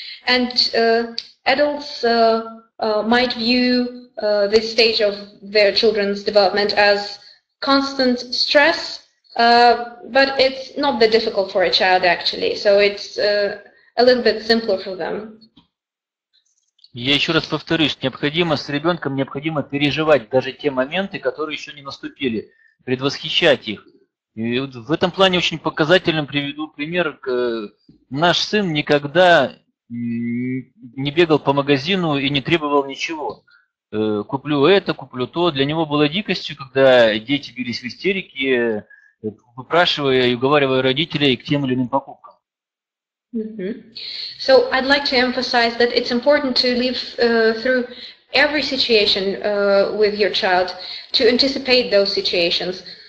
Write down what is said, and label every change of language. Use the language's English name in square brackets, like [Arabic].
[English] And adults might view this stage of their children's development as constant stress, but it's not that difficult for a child, actually. So it's a little bit simpler for them. [Russian] Я еще раз повторюсь, необходимо с ребенком, необходимо переживать даже те моменты, которые еще не наступили, предвосхищать их. И вот в этом плане очень показательным приведу пример. Наш сын никогда не бегал по магазину и не требовал ничего. Куплю это, куплю то. Для него было дикостью, когда дети бились в истерике, выпрашивая и уговаривая родителей к тем или иным покупкам. Mm-hmm. [English] So I'd like to emphasize that it's important to live through every situation with your child, to anticipate those situations.